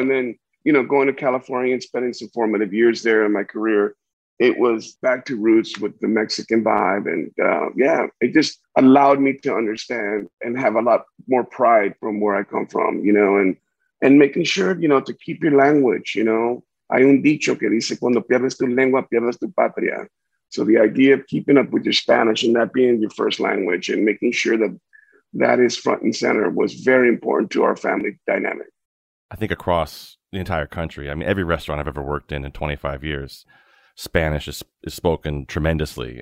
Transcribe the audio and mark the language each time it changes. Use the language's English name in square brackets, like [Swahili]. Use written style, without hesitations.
[English] And then, you know, going to California and spending some formative years there in my career, it was back to roots with the Mexican vibe. And it just allowed me to understand and have a lot more pride from where I come from, you know, and making sure, you know, to keep your language, you know. [Spanish] Hay un dicho que dice, cuando pierdes tu lengua, pierdes tu patria. [English] So the idea of keeping up with your Spanish and that being your first language and making sure that that is front and center was very important to our family dynamic. I think across the entire country, I mean, every restaurant I've ever worked in 25 years, Spanish is spoken tremendously.